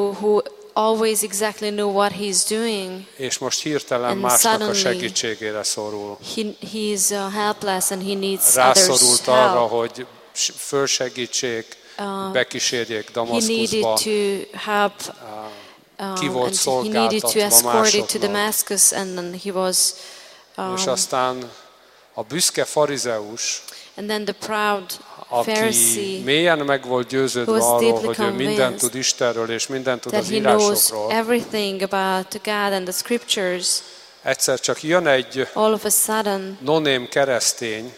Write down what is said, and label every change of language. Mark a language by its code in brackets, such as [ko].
[en] Who always exactly knew what he's doing. [hu] És most hirtelen másnak a segítségére szorul. [en] He's helpless and he needs [hu] rászorult [en] others [hu] arra, [en] help. [hu] Hogy fölsegítsék, bekísérjék Damaszkuszba. [en] He needed to help. [hu] Ki volt szolgáltatva másoknak. [en] He needed to escort it to Damascus and then he was. [hu] És aztán a büszke farizeus. [en] And then the proud Pharisee, [hu] aki mélyen meg volt győződve arról, hogy ő mindent tud Istenről és mindent tud az írásokról. [en] Everything about God and the scriptures. [hu] Egyszer csak jön egy no-name keresztény.